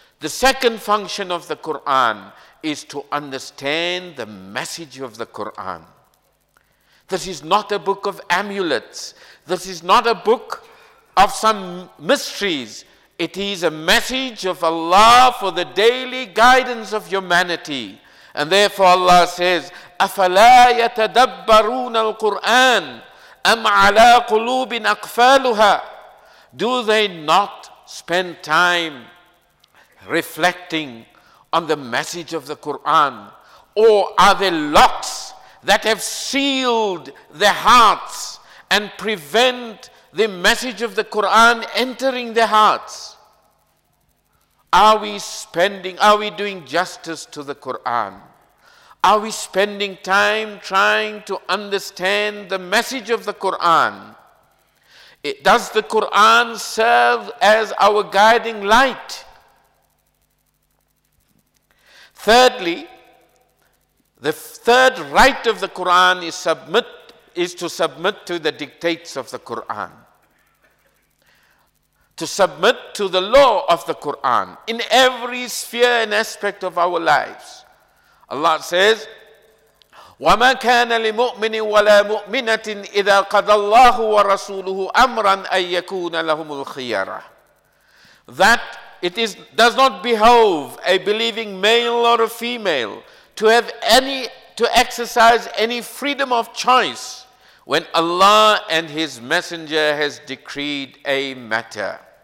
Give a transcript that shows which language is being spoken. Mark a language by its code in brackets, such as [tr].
[en] The second function of the Quran is to understand the message of the Quran. This is not a book of amulets. This is not a book of some mysteries. It is a message of Allah for the daily guidance of humanity. And therefore Allah says, [ar] أَفَلَا يَتَدَبَّرُونَ الْقُرْآنَ أَمْ عَلَىٰ قُلُوبٍ أَقْفَالُهَا. [en] Do they not spend time reflecting on the message of the Quran? Or are there locks that have sealed their hearts and prevent the message of the Quran entering their hearts? Are we doing justice to the Quran? Are we spending time trying to understand the message of the Quran? Does the Quran serve as our guiding light? Thirdly, the third right of the Quran is to submit to the dictates of the Quran. To submit to the law of the Quran in every sphere and aspect of our lives. Allah says, [ar] وَمَا كَانَ لِمُؤْمِنٍ وَلَا مُؤْمِنَةٍ إِذَا قَضَى اللَّهُ وَرَسُولُهُ أَمْرًا أَن يَكُونَ لَهُمُ الْخِيَرَةِ. [en] That it is does not behove a believing male or a female to exercise any freedom of choice when Allah and His Messenger has decreed a matter.